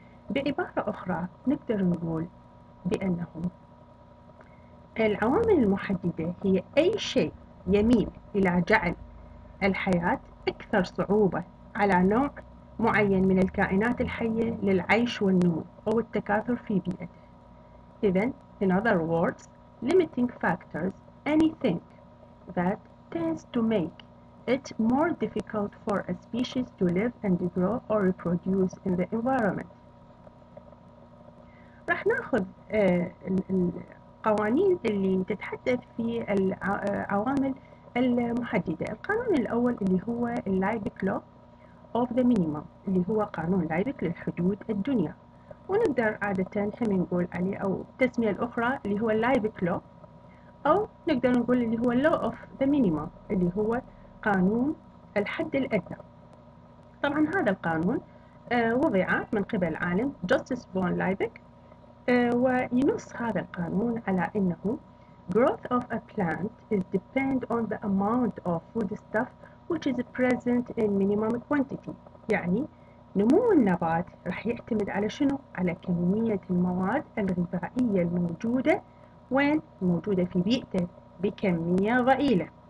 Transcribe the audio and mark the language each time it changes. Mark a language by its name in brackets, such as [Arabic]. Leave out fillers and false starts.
[Arabic] بعبارة أخرى نقدر نقول بأنه العوامل المحددة هي أي شيء يميل إلى جعل الحياة أكثر صعوبة على نوع معين من الكائنات الحية للعيش والنمو أو التكاثر في بيئته. [English] إذن in other words limiting factors anything that tends to make it more difficult for a species to live and grow or reproduce in the environment. [Arabic] راح ناخذ القوانين اللي تتحدث في العوامل المحددة. القانون الأول اللي هو Liebig Law of the Minimum اللي هو قانون Liebig للحدود الدنيا، ونقدر عادة هم نقول عليه أو تسمية الأخرى اللي هو Liebig Law، أو نقدر نقول اللي هو Law of the Minimum اللي هو قانون الحد الأدنى. طبعا هذا القانون وضعت من قبل عالم جوستس فون لايبك، وينص هذا القانون على أنه [English] growth of a plant is depend on the amount of food stuff which is present in minimum quantity. [Arabic] يعني نمو النبات رح يعتمد على شنو؟ على كمية المواد الغذائية الموجودة، وين موجودة؟ في بيئته، بكمية ضئيلة.